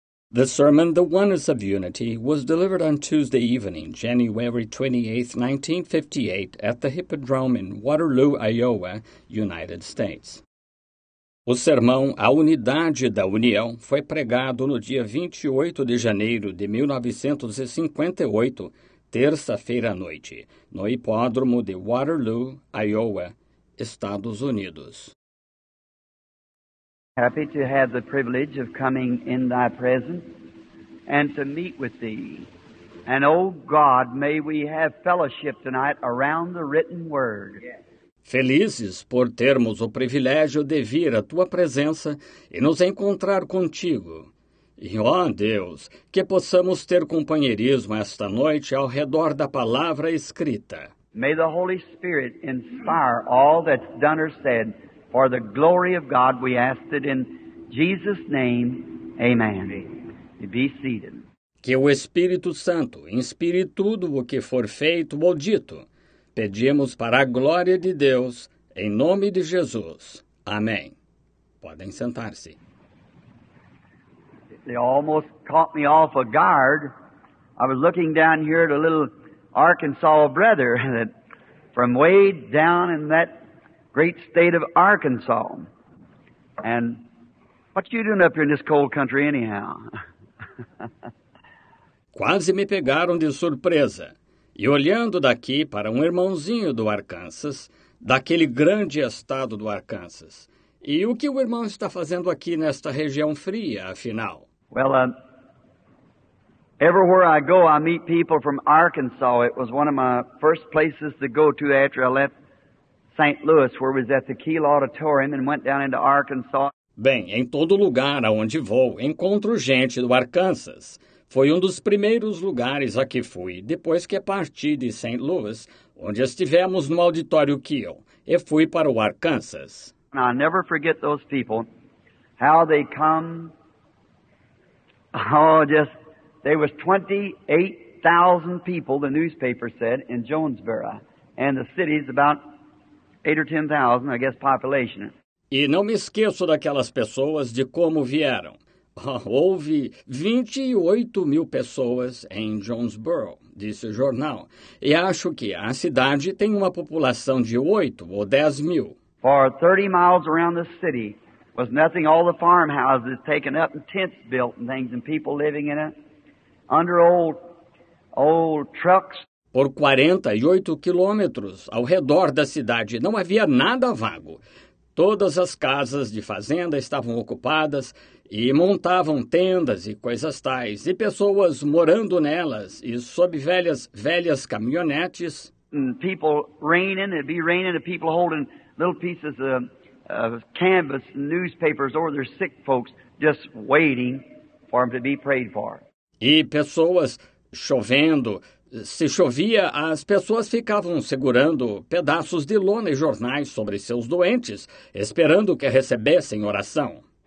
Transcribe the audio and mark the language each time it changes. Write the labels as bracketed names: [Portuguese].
[English] The sermon, The Oneness of Unity, was delivered on Tuesday evening, January 28, 1958, at the Hippodrome in Waterloo, Iowa, United States. [Portuguese] O sermão, A Unidade da União, foi pregado no dia 28 de janeiro de 1958, terça-feira à noite, no hipódromo de Waterloo, Iowa, Estados Unidos. [English] Happy to have the privilege of coming in thy presence and to meet with thee. And O God, may we have fellowship tonight around the written word. [Portuguese] Felizes por termos o privilégio de vir à tua presença e nos encontrar contigo. E ó Deus, que possamos ter companheirismo esta noite ao redor da palavra escrita. [English] May the Holy Spirit inspire all that's done or said. For the glory of God, we ask it in Jesus' name. Amen. Be seated. [Portuguese] Que o Espírito Santo inspire tudo o que for feito ou dito. Pedimos para a glória de Deus, em nome de Jesus. Amém. Podem sentar-se. [English] They almost caught me off a guard. I was looking down here at a little Arkansas brother that from way down in that great state of Arkansas. And what you doing up here in this cold country anyhow? [Portuguese] Quase me pegaram de surpresa. E olhando daqui para um irmãozinho do Arkansas, daquele grande estado do Arkansas. E o que o irmão está fazendo aqui nesta região fria, afinal? [English] Well, everywhere I go, I meet people from Arkansas. It was one of my first places to go to after I left St. Louis, where was at the Kiel Auditorium and went down into Arkansas. [Portuguese] Bem, em todo lugar aonde vou, encontro gente do Arkansas. Foi dos primeiros lugares a que fui, depois que parti de St. Louis, onde estivemos no Auditório Kiel, e fui para o Arkansas. [English] And I'll never forget those people, how they come. Oh, just, there was 28,000 people, the newspaper said, in Jonesboro, and the city's about 8 or 10,000, I guess, population. [Portuguese] E não me esqueço daquelas pessoas de como vieram. Houve 28 mil pessoas em Jonesboro, disse o jornal. E acho que a cidade tem uma população de 8 ou 10 mil. [English] For 30 miles around the city was nothing, all the farmhouses taken up and tents built and things and people living in it, under old trucks. [Portuguese] Por 48 quilômetros ao redor da cidade não havia nada vago. Todas as casas de fazenda estavam ocupadas e montavam tendas e coisas tais, e pessoas morando nelas e sob velhas caminhonetes. [English] People raining, it'd be raining, and people holding little pieces of canvas, newspapers, or their sick folks just waiting for them to be prayed for. [Portuguese] E pessoas chovendo. Se chovia, as pessoas ficavam segurando pedaços de lona e jornais sobre seus doentes, esperando que recebessem oração.